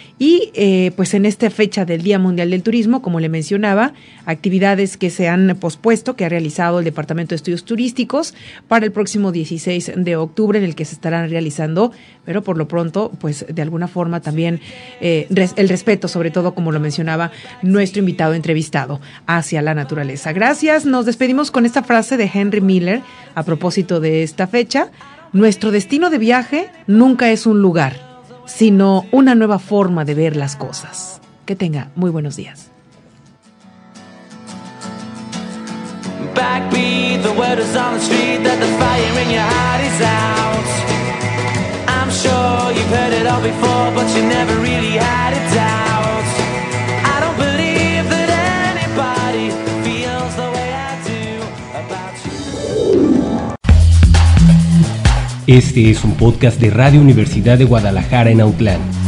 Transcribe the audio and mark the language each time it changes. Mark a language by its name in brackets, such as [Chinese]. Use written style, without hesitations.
[Spanish] y pues en esta fecha del Día Mundial del Turismo, como le mencionaba, actividades que se han pospuesto, que ha realizado el Departamento de Estudios Turísticos para el próximo 16 de octubre en el que se estarán realizando, pero por lo pronto, pues de alguna forma también el respeto, sobre todo como lo mencionaba nuestro invitado entrevistado, hacia la naturaleza. Gracias, nos despedimos con esta frase de Henry Miller a propósito de esta fecha. Nuestro destino de viaje nunca es un lugar, sino una nueva forma de ver las cosas. Que tenga muy buenos días. [English] Backbeat, the word is on the street that the fire in your heart is out. I'm sure you've heard it all before, but you never really had a doubt. I don't believe that anybody feels the way I do about you. [Spanish] Este es un podcast de Radio Universidad de Guadalajara en Autlán.